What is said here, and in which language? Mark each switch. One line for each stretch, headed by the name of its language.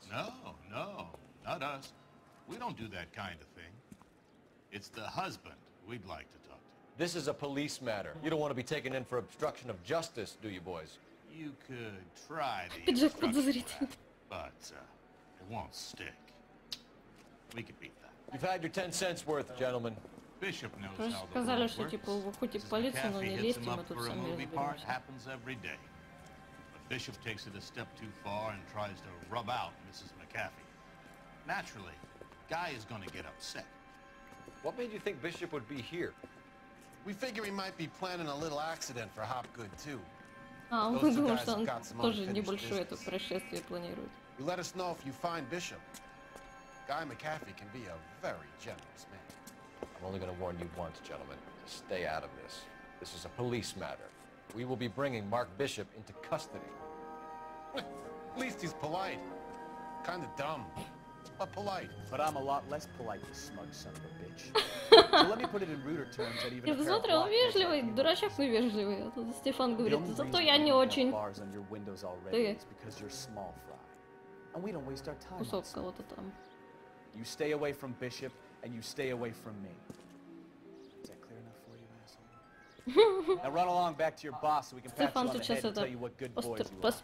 English: No, no, not us. We don't do that kind of thing. It's the husband we'd like to talk to. This is a police matter. You don't want to be taken in for obstruction of justice, do you, boys? You could try the obstruction, but it won't stick. We could beat that. You've had your 10 cents worth, gentlemen.
Russian: Сказали, что типа вы хоть и полиция, но не лезьте, мы тут сами разберемся.
English: Bishop takes it a step too far and tries to rub out Mrs. McAfee. Naturally, guy is going to get upset. What made you think Bishop would be here? We figure he might be planning a little accident for Hopgood too.
Russian: А он думал, что он тоже небольшое это происшествие планирует.
English: You let us know if you find Bishop. Guy McAfee can be a very generous man. I'm only going to warn you once, gentlemen. Stay out of this. This is a police matter. We will be bringing Mark Bishop into custody. At least he's polite. Kind of dumb, but polite. But I'm a lot less polite, you smug son of a bitch. So let me put it in ruder terms that even a paralyzed man...
Russian: Вежливый, дурачок невежливый. Тут Стефан говорит, зато я не очень...
English: The only reason we have bars on because you're small fry. And we don't waste our time on
Russian: кого-то там.
English: You stay away from Bishop, and you stay away from me. Is that clear enough for you, asshole? Now run along back to your boss, so we can pat you on the head and tell you what good boys you are.